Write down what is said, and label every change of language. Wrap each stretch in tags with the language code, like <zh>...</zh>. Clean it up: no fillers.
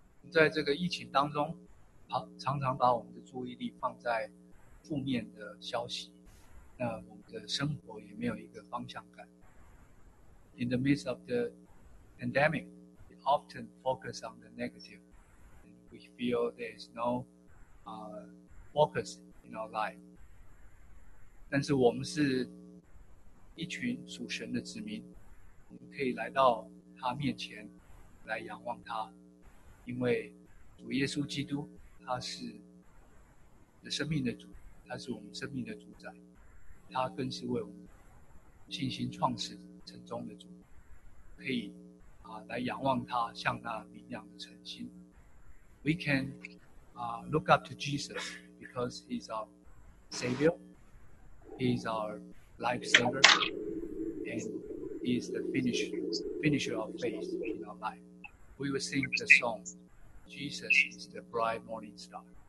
<zh>在这个疫情当中，常常把我们的注意力放在负面的消息，那我们的生活也没有一个方向感。</zh> <en>In the midst of the pandemic, we often focus on the negative and we feel there is no focus in our life.</en> <zh>但是我们是一群属神的子民，我们可以来到他面前来仰望他，因为主耶稣基督他是生命的主，他是我们生命的主宰，他更是为我们信心创始成终的主，可以来仰望他，像那明亮的晨星。</zh> <en>We can look up to Jesus because he's our savior, he's our life saver, and he's the finisher of faith in our life. We will sing the song, Jesus is the bright morning star.</en>